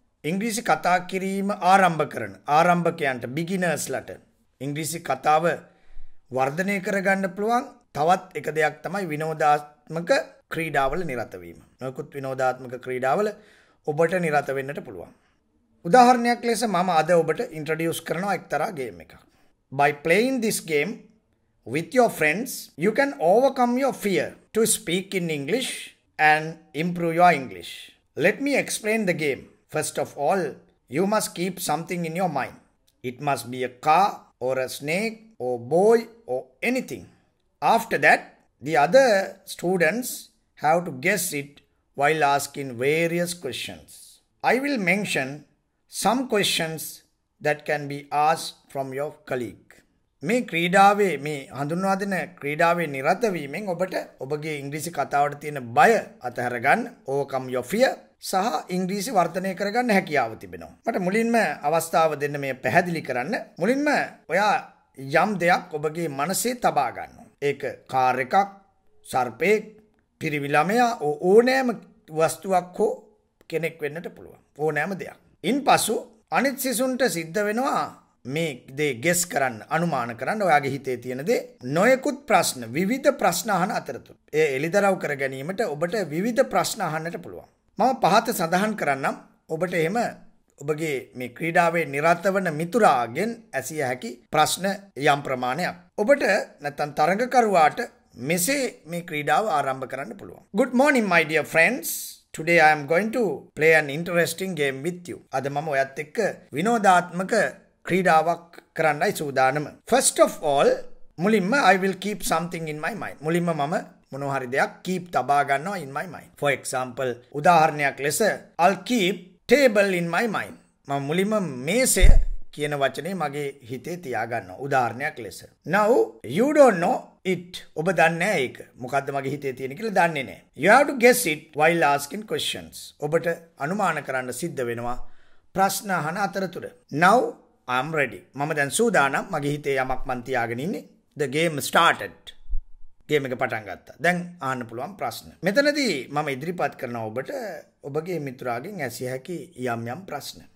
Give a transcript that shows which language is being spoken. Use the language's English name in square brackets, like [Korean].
[Sinhala] ඉංග්‍රීසි කතා කිරීම ආරම්භ කරන ආරම්භකයන්ට, බිගිනර්ස්ලට ඉංග්‍රීසි කතාව වර්ධනය කරගන්න පුළුවන් තවත් එක දෙයක් තමයි විනෝදාත්මක ක්‍රීඩාවල නිරත වීම. නොයෙකුත් විනෝදාත්මක ක්‍රීඩාවල ඔබට නිරත වෙන්නට පුළුවන්. උදාහරණයක් ලෙස මම අද ඔබට ඉන්ට්‍රඩියුස් කරනවා එක්තරා ගේම් එකක්. [English] By playing this game with your friends, you can overcome your fear to speak in English and improve your English. Let me explain the game. First of all, you must keep something in your mind. It must be a car or a snake or boy or anything. After that, the other students have to guess it while asking various questions. I will mention some questions that can be asked from your colleague. [Sinhala] මේ ක්‍රීඩාවේ, මේ හඳුන්වා දෙන ක්‍රීඩාවේ නිරත වීමෙන් ඔබට ඔබගේ ඉංග්‍රීසි කතාවට තියෙන බය අතහැර ගන්න, [English] overcome your fear, [Sinhala] සහ ඉංග්‍රීසි වර්ධනය කරගන්න හැකියාව තිබෙනවා. මට මුලින්ම අවස්ථාව දෙන්න මේ පැහැදිලි කරන්න. මුලින්ම ඔයා යම් දෙයක් ඔබගේ මනසේ තබා ගන්නවා. ඒක කාර් එකක්, සර්පෙක්, පිරිමි ළමයා, ඕනෑම වස්තුවක් හෝ කෙනෙක් වෙන්නට පුළුවන්. ඕනෑම දෙයක්. ඉන්පසු අනිත් සිසුන්ට සිද්ධ වෙනවා මේ දේ ගෙස් කරන්න, අනුමාන කරන්න, ඔයාගේ හිතේ තියෙන දේ. නොයෙකුත් ප්‍රශ්න, විවිධ ප්‍රශ්න අහන අතරතුර ඒ එළිදරව් කර ගැනීමට ඔබට විවිධ ප්‍රශ්න අහන්නට පුළුවන්. මම පහත සඳහන් කරන්නම්. ඔබට එහෙම ඔබගේ මේ ක්‍රීඩාවේ නිරත වන මිතුරාගෙන් ඇසිය හැකි ප්‍රශ්න යම් ප්‍රමාණයක්. ඔබට නැත්තම් තරඟකරුවාට මෙසේ මේ ක්‍රීඩාව ආරම්භ කරන්න පුළුවන්. [English] Good morning, my dear friends. Today I am going to play an interesting game with you. [Sinhala] අද මම ඔයත් එක්ක විනෝදාත්මක ක්‍රීඩාවක් කරන්නයි සූදානම. [English] First of all, [Sinhala] මුලින්ම [English] I will keep something in my mind. [Sinhala] මුලින්ම මම මොනවා හරි දෙයක් keep තබා ගන්නවා [English] in my mind. For example, [Sinhala] උදාහරණයක් ලෙස [English] I'll keep table in my mind. [Sinhala] මම මුලින්ම මේසය කියන වචනේ මගේ හිතේ තියා ගන්නවා උදාහරණයක් ලෙස. [English] Now you don't know it. [Sinhala] ඔබ දන්නේ නැහැ ඒක. මොකද්ද මගේ හිතේ තියෙන කියලා දන්නේ නැහැ. [English] You have to guess it while asking questions. [Sinhala] ඔබට අනුමාන කරන්න සිද්ධ වෙනවා ප්‍රශ්න අහන අතරතුර. [English] Now I'm ready. [Sinhala] මම දැන් සූදානම්. මගේ හිතේ යමක් මන් තියාගෙන ඉන්නේ. [English] The game started. [Sinhala] ගේම් එක පටන් ගත්තා. දැන් අහන්න පුළුවන් ප්‍රශ්න. මෙතනදී මම ඉදිරිපත් කරනවා ඔබට ඔබගේ මිතුරාගෙන් ඇසිය හැකි යම් යම් ප්‍රශ්න.